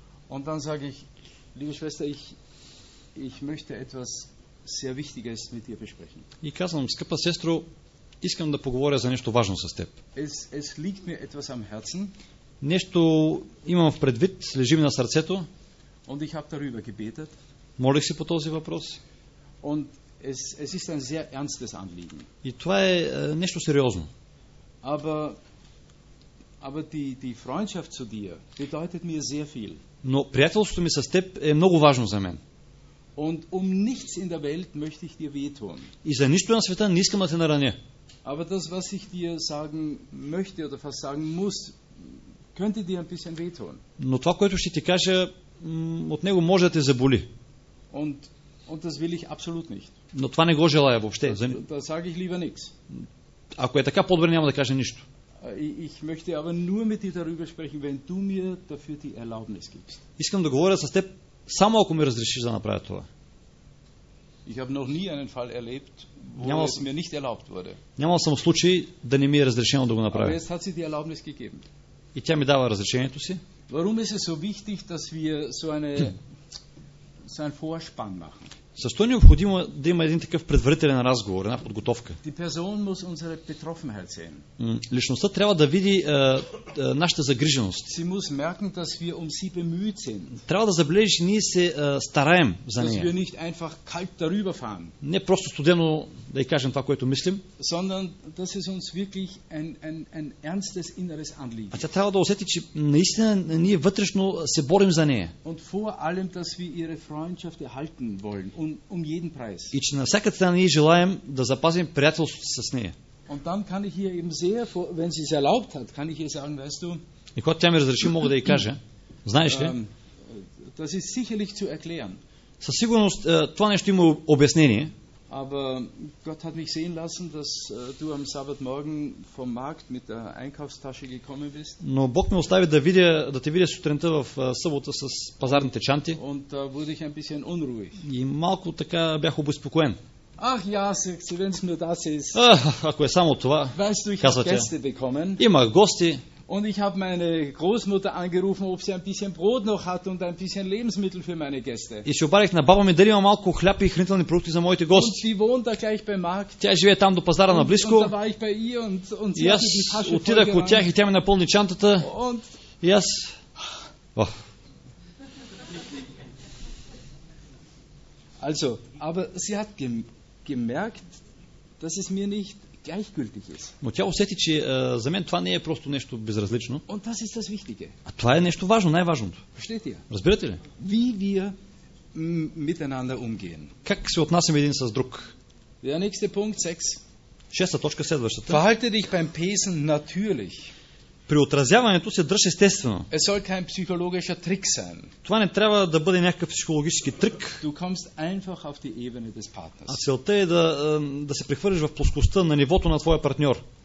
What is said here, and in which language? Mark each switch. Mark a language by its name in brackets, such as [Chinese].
[German] Und dann sage ich, liebe Schwester, ich möchte etwas sehr Wichtiges mit dir besprechen. [Bulgarian] И казвам, скъпа сестро, искам да поговоря за нещо важно с теб. [German] Es liegt mir etwas am Herzen. [Bulgarian] Нещо имам в предвид, лежи ми на сърцето. [German] Und ich habe darüber gebetet. [Bulgarian] Молих се по този въпрос. [German] Und es ist ein sehr ernstes Anliegen. [Bulgarian] И това е нещо сериозно. [German] Aber die Freundschaft zu dir bedeutet mir sehr viel. [Bulgarian] Но приятелството ми с теб е много важно за мен. [German] Und um nichts in der Welt möchte ich dir wehtun. [Bulgarian] И за нищо на света не искам да те нараня. [German] Aber das, was ich dir sagen möchte oder fast sagen muss, könnte dir ein bisschen wehtun. [Bulgarian] Но това, което ще ти кажа, от него може да те заболи. [German] Und das will ich absolut nicht. [Bulgarian] Но това не го желая въобще. [German] Da sage ich lieber nichts. [Bulgarian] Ако е така, по-добре няма да кажа нищо. [German] Ich möchte aber nur mit dir darüber sprechen, wenn du mir dafür die Erlaubnis gibst. [Bulgarian] Искам да говоря с теб само ако ми разрешиш да направя това. [German] Ich habe noch nie einen Fall erlebt, wo es mir nicht erlaubt wurde. [Bulgarian] Нямал съм случай да не ми е разрешено да го направя. [German] Aber jetzt hat sie die Erlaubnis gegeben. [Bulgarian] И тя ми дава разрешението си. [German] Warum ist es so wichtig, dass wir so ein Vorspann machen? [Bulgarian] Защо е необходимо да има един такъв предварителен разговор, една подготовка? [German] Die Person muss unsere Betroffenheit sehen. [Bulgarian] Личността трябва да види нашата загриженост. [German] Sie muss merken, dass wir um sie bemüht sind. [Bulgarian] Трябва да забележи, ние се стараем за нея. [German] Dass wir nicht einfach kalt darüber fahren. [Bulgarian] Не просто студено да й кажем това, което мислим. [German] Sondern das ist uns wirklich ein ernstes inneres Anliegen. [Bulgarian] А тя трябва да усети, че наистина ние вътрешно се борим за нея. [German] Und vor allem, dass wir ihre Freundschaft erhalten wollen. Jeden preis. [Bulgarian] И че на всяка цена ние желаем да запазим приятелството с нея. [German] Und dann kann ich hier eben sehr, wenn sie es erlaubt hat, kann ich ihr sagen, weißt du? [Bulgarian] И когато тя ми разреши, мога да й кажа. Знаеш ли? [German] Das ist sicherlich zu erklären. [Bulgarian] Със сигурност това нещо има обяснение. [German] Aber Gott hat mich sehen lassen, dass du am Sabbatmorgen vom Markt mit der Einkaufstasche gekommen bist. [Bulgarian] Но Бог ме остави да те видя сутринта в събота с пазарните чанти. [German] Und da wurde ich ein bisschen unruhig. [Bulgarian] И малко така бях обезпокоен. [German] Ах, ja, wenn es nur das ist. [Bulgarian] Ако е само това. [German] Weißt du, ich habe Gäste bekommen. [Bulgarian] Имах гости. [German] Und ich habe meine Großmutter angerufen, ob sie ein bisschen Brot noch hat und ein bisschen Lebensmittel für meine Gäste. [Bulgarian] И ще обадих на баба ми дали има малко хляб и хранителни продукти за моите гости. [German] Und die wohnt da gleich beim Markt. [Bulgarian] Тя живее там до пазара на близко. [German] Und da war ich bei ihr und sie hat die Tasche voll gerannt. [Bulgarian] Und отидах от тях и тя ми напълни чантата. [German] Und yes. Also, aber sie hat gemerkt, dass es mir nicht gleichgültig ist. [Bulgarian] Но тя усети, че за мен това не е просто нещо безразлично. [German] Und das ist das Wichtige. [Bulgarian] А това е нещо важно, най-важното. [German] Versteht ihr? [Bulgarian] Разбирате ли? [German] Wie wir miteinander umgehen. [Bulgarian] Как се отнасяме един с друг? [German] Der nächste Punkt, 6. [Bulgarian] Шеста точка, следващата. [German] Verhalte dich beim Pesen natürlich. [Bulgarian] при отразяването се държи естествено. [German] Es soll kein psychologischer Trick sein. [Bulgarian] Това не трябва да бъде някакъв психологически трик. [German] Du kommst einfach auf die Ebene des Partners. [Bulgarian] А целта е да се прехвърлиш в плоскостта на нивото на твоя партньор.